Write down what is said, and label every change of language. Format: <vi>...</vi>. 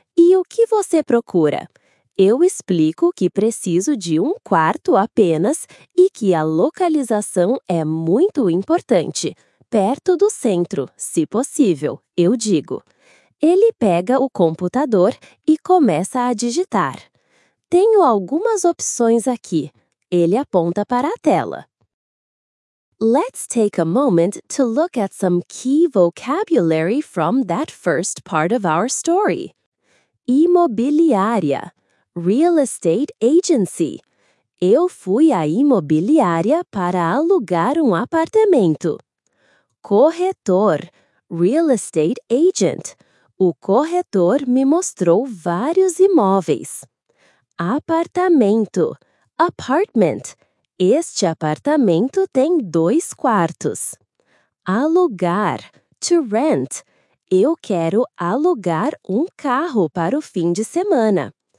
<pt>E o que você procura? Eu explico que preciso de um quarto apenas e que a localização é muito importante. Perto do centro, se possível, eu digo. Ele pega o computador e começa a digitar. Tenho algumas opções aqui. Ele aponta para a tela.</pt> <en>Let's take a moment to look at some key vocabulary from that first part of our story. Imobiliária, real estate agency.</en> <pt>Eu fui à imobiliária para alugar um apartamento.</pt> <en>Corretor, real estate agent.</en> <pt>O corretor me mostrou vários imóveis. Apartamento, apartment. Este apartamento tem dois quartos. Alugar,</pt> <en>to rent.</en> <pt>Eu quero alugar um carro para o fim de semana.</pt>